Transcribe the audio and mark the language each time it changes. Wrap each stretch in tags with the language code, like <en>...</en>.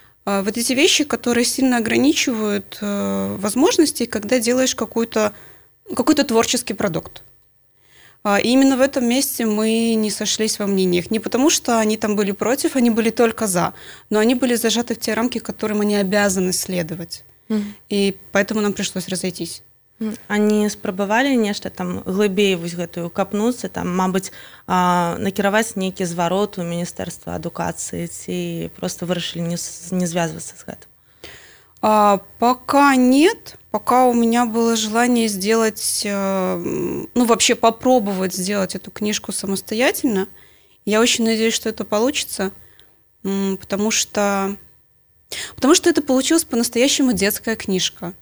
<ru>Вот эти вещи, которые сильно ограничивают возможности, когда делаешь какой-то творческий продукт. И именно в этом месте мы не сошлись во мнениях. Не потому, что они там были против, они были только за. Но они были зажаты в те рамки, которым они обязаны следовать. Mm-hmm. И поэтому нам пришлось разойтись.</ru> <be>Они спробовали нечто там глыбей вось гэтую капнуцца, там, мабыць, накіраваць некі зварот у Міністэрства адукацыі ці просто вырашылі не звязвацца з гэтым?</be> <ru>Пока нет. Пока у меня было желание сделать, ну, вообще попробовать сделать эту книжку самостоятельно. Я очень надеюсь, что это получится, потому что это получилась по-настоящему детская книжка.</ru>